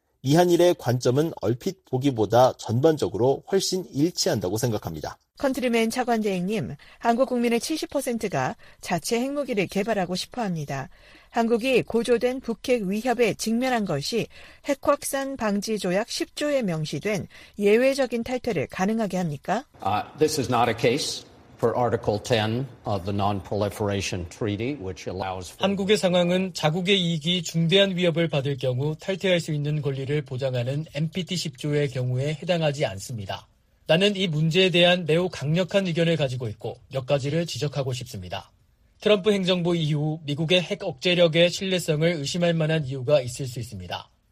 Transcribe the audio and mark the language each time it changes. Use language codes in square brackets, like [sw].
[ko] 미한일의 관점은 얼핏 보기보다 전반적으로 훨씬 일치한다고 생각합니다. 컨트리맨 차관 대행님, 한국 국민의 70%가 자체 핵무기를 개발하고 싶어합니다. 한국이 고조된 북핵 위협에 직면한 것이 핵확산 방지 조약 10조에 명시된 예외적인 탈퇴를 가능하게 합니까? [en] This is not a case for Article 10 of the Non-Proliferation Treaty, which allows for [ko] 한국의 상황은 자국의 이익이 중대한 위협을 받을 경우 탈퇴할 수 있는 권리를 보장하는 NPT 10조의 경우에 해당하지 않습니다. 나는 이 문제에 대한 매우 강력한 의견을 가지고 있고 몇 가지를 지적하고 싶습니다. 트럼프 행정부 이후 미국의 핵 억제력의 신뢰성을 의심할 만한 이유가 있을 수 있습니다.